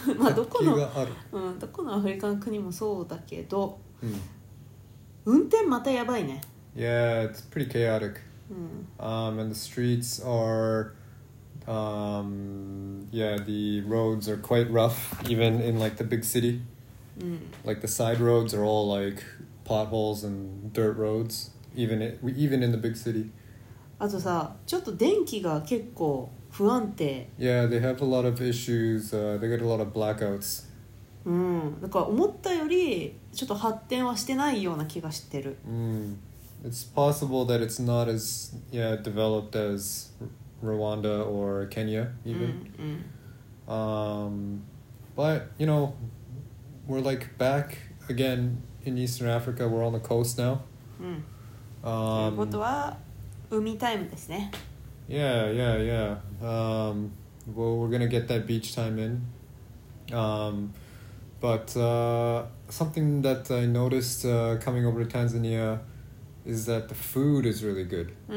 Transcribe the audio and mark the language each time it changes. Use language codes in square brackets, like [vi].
[ja] まあどこの、うん、どこのアフリカの国もそうだけど、うん、運転またやばいね。 [en] Yeah, it's pretty chaotic.、 [ja] うん、 [en] and the streets are, yeah, the roads are quite rough even in like the big city. Like the side roads are all like potholes and dirt roads, even in the big city. [ja] あとさ、ちょっと電気が結構不安定。 [en] Yeah, they have a lot of issues. They get a lot of blackouts. [ja] なんか思ったよりちょっと発展はしてないような気がしてる。 [en] It's possible that it's not as developed as Rwanda or Kenya even. But you know, we're like back again in Eastern Africa. We're on the coast now. [ja] ということは海タイムですね。 [en] Yeah. Well, we're gonna get that beach time in. But something that I noticed coming over to Tanzania is that the food is really good.